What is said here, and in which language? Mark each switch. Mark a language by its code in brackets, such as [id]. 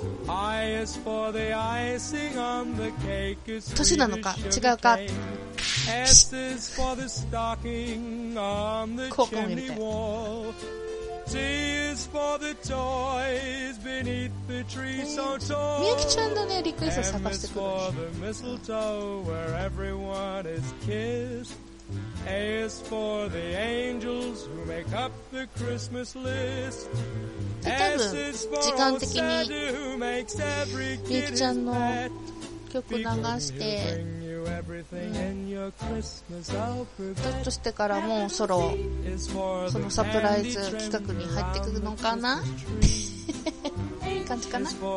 [en] I is for the icing on the cake. [ja] 年なのか違うか。 [en] S is for the stocking on the chimney wall. T is for the toys beneath the tree so tall. [ja] みゆきちゃんのね、リクエスト探してくる。 [en] M is for the mistletoe where everyone is kissed. A is for the angels who make up the Christmas list. S is for Santa who makes every kid pet. Because he'll bring you everything in your Christmas alphabet. [ja] ちょっとしてからもうそろそのサプライズ企画に入ってくるのかな。感じかな。